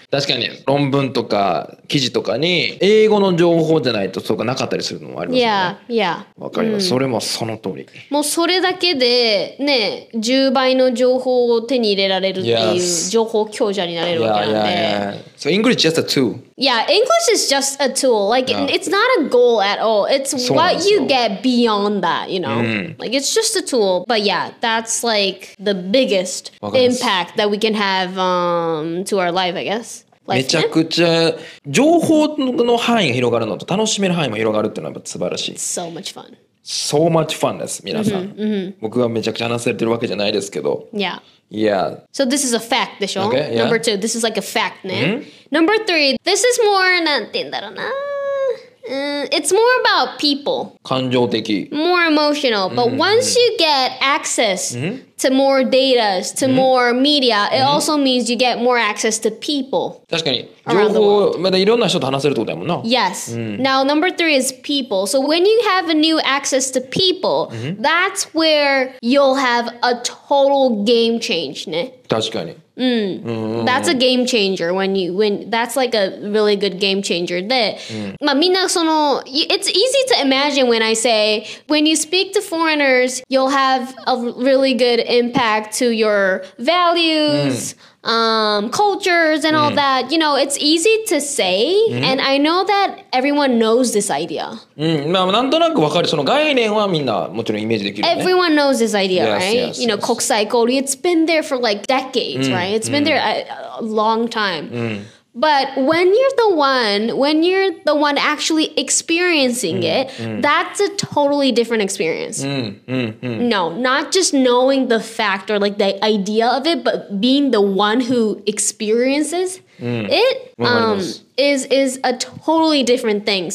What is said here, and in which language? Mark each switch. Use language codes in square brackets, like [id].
[ja] 確かに論文とか記事とかに英語の情報じゃないとそうかなかったりするのもありますよね。わかります。それもその通り。もうそれだけでね、10倍の情報を手に入れられるっていう情報強者になれるわけなんで。 [en] So English is just a tool. Yeah, English is just a tool. Like, it's not a goal at all. It's what you get beyond that, you know? Like, it's just a tool. But yeah, that's like the biggest impact that we can have to our life, I guess. [ja] めちゃくちゃ情報の範囲が広がるのと楽しめる範囲も広がるっていうのは素晴らしい。 [en] So much fun. So much fun です、皆さん。 [ja] 僕はめちゃくちゃ話されてるわけじゃないですけど。 [en] Yeah. Yeah. So this is a fact でしょ? Okay, yeah. Number two, this is like a fact, ね。Number three, this is more, なんて言うんだろうな。 It's more about people. [ja] 感情的 [en] More emotional. But once you get access to more data, to more media, it also means you get more access to people. [ja] 確かに情報まだいろんな人と話せるってことだもんな [en] Yes. Now number three is people. So when you have a new access to people, that's where you'll have a total game change. [ja] ね確かに [en] That's a game changer when that's like a really good game changer. It's easy to imagine when I say when you speak to foreigners, you'll have a really good impact to your values, cultures, and all that. You know, it's easy to say, and I know that everyone knows this idea. [ja] なんとなくわかる。その概念はみんなもちろんイメージできるよね。 [en] Everyone knows this idea, right? You know, 国際交流, it's been there for like decades, right? It's been there a long time. But when you're the one actually experiencing it, that's a totally different experience. No, not just knowing the fact or like the idea of it, but being the one who experiences it is a totally different thing.